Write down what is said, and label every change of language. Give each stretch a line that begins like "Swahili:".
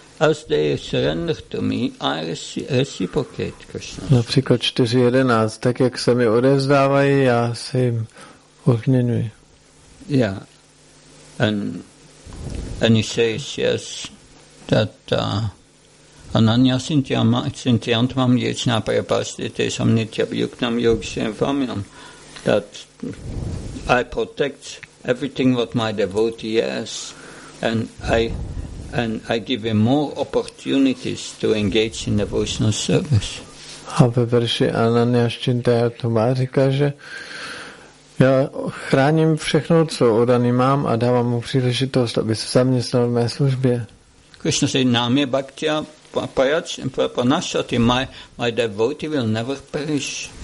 English: As they surrender to me, I reciprocate Krishna.
Czech: Například 4.11, tak jak se mi odevzdávají, já se jim odměňuji.
English: Yeah. And he says, yes, that ananya sintiyantvam yechna prapastite samnitya vyuknam yogisem famyam, that I protect everything what my devotee has, and I give him more opportunities to engage in devotional service.
Czech: A ve verši Ananya Shchintaya Tumá říká, že já chráním všechno, co odaný mám, a dávám mu příležitost, aby se zaměstnal v mé službě.
English: Krishna říká, nám je bhaktia pranashati, my devotee will never perish.